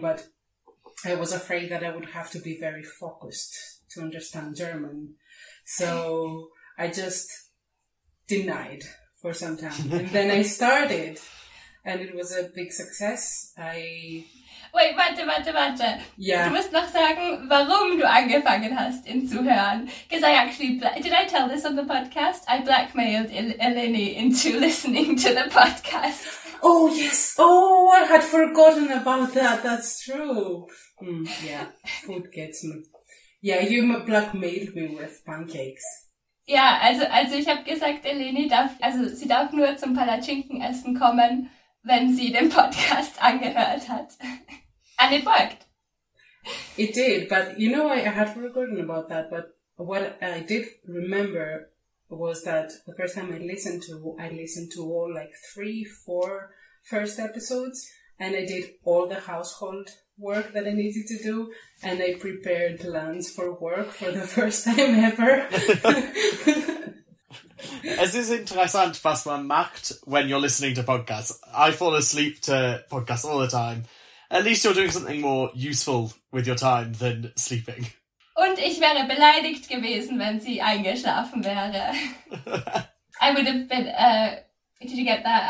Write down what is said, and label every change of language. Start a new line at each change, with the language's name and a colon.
English: But I was afraid that I would have to be very focused to understand German. So I just denied for some time. And then I started and it was a big success. Wait. Yeah.
German: Du musst noch sagen, warum du angefangen hast, ihn zu hören.
English: Because I actually, did I tell this on the podcast? I blackmailed Eleni into listening to the podcast. Oh, yes. Oh, I had forgotten about that. That's true. Food gets me. Yeah, you blackmailed me with pancakes.
German: Ja, also ich habe gesagt, Eleni darf, also sie darf nur zum Palatschinkenessen kommen, wenn sie den Podcast angehört hat.
English: And it worked. It did, but you know, I had forgotten about that, but what I did remember was that the first time I listened to all like 3-4 first episodes, and I did all the household work that I needed to do, and I prepared lunch for work for the first time ever.
German: Es ist interessant, was man macht,
English: when you're listening to podcasts. I fall asleep to podcasts all the time. At least you're doing something more useful with your time than sleeping.
German: Und ich wäre beleidigt gewesen, wenn sie eingeschlafen wäre.
English: I would have been, did you get that?